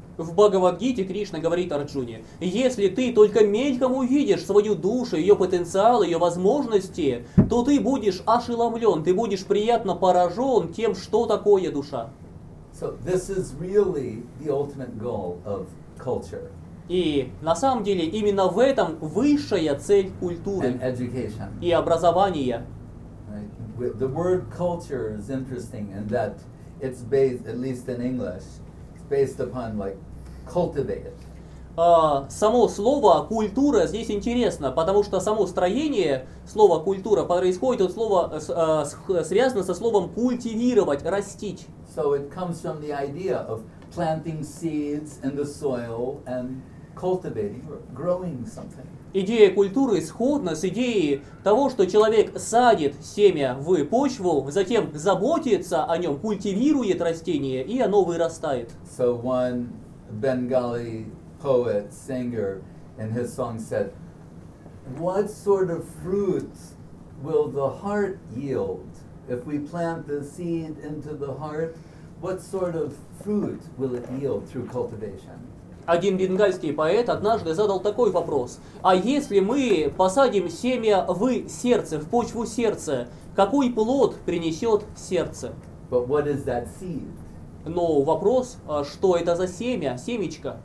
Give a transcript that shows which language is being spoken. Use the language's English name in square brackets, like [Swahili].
[Russian] В Бхагавад-гите Кришна говорит Арджуне, если ты только мельком увидишь свою душу, ее потенциал, ее возможности, то ты будешь ошеломлен, ты будешь приятно поражен тем, что такое душа. [English] So this is really the ultimate goal of culture. [Russian] И на самом деле именно в этом высшая цель культуры [English] and education. [Russian] И образования. [English] Right. The word culture is interesting in that it's based, at least in English, based upon like cultivate. [Russian] Само слово культура здесь интересно, потому что само строение слова культура происходит от слова связано со словом культивировать, растить. [English] So it comes from the idea of planting seeds in the soil and cultivating or growing something. [Russian] Идея культуры сходна с идеей того, что человек садит семя в почву, затем заботится о нем, культивирует растение, и оно вырастает. [English] So one Bengali poet, singer, in his song said, what sort of fruit will the heart yield? If we plant the seed into the heart, what sort of fruit will it yield through cultivation? [Russian] Один бенгальский поэт однажды задал такой вопрос. А если мы посадим семя в сердце, в почву сердца, какой плод принесет сердце? [English] But what is that seed? [Russian] Но вопрос, что это за семя, семечко?